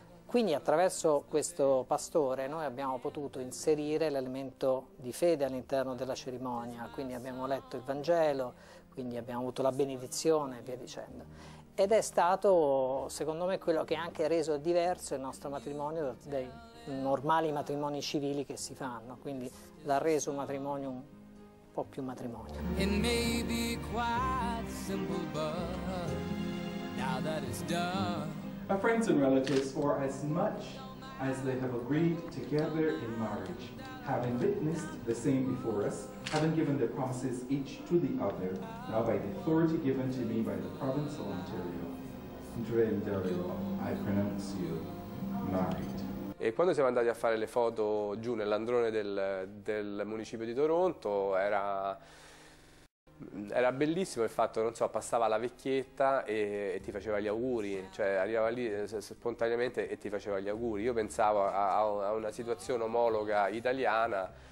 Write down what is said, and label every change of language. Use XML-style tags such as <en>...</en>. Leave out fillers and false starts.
<it>Quindi attraverso questo pastore noi abbiamo potuto inserire l'elemento di fede all'interno della cerimonia, quindi abbiamo letto il Vangelo, quindi abbiamo avuto la benedizione e via dicendo. Ed è stato, secondo me, quello che ha anche reso diverso il nostro matrimonio dai normali matrimoni civili che si fanno, quindi l'ha reso un matrimonio un po' più matrimonio.</it> <en>It may be quite simple, but now that it's done. Our friends and relatives, for as much as they have agreed together in marriage, having witnessed the same before us, having given their promises each to the other, now by the authority given to me by the province of Ontario, Andrea and Dario, I pronounce you married.</en> <it>E quando siamo andati a fare le foto giù nell'androne del municipio di Toronto, era bellissimo il fatto, non so, passava la vecchietta e ti faceva gli auguri, cioè arrivava lì spontaneamente e ti faceva gli auguri. Io pensavo a una situazione omologa italiana</it>